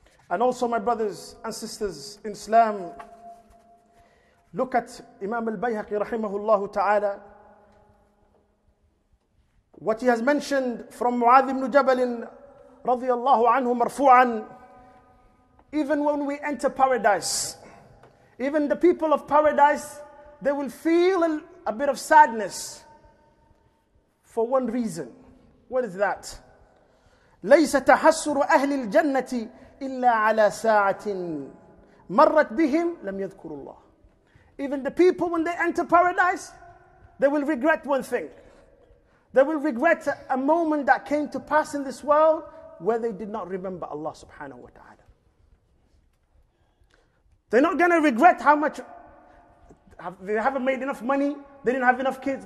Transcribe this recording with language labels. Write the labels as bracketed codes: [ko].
[en] And also my brothers and sisters in Islam, look at Imam al-Bayhaqi rahimahullahu ta'ala, what he has mentioned from Mu'adh ibn Jabal radiyallahu anhu marfu'an. Even when we enter paradise, even the people of paradise, they will feel a bit of sadness. For one reason. What is that? [ar] ليس تحسر أهل الجنة إلا على ساعة مرت بهم لم يذكروا الله. [en] Even the people when they enter paradise, they will regret one thing. They will regret a moment that came to pass in this world where they did not remember Allah subhanahu wa ta'ala. They're not going to regret how much they haven't made enough money, they didn't have enough kids.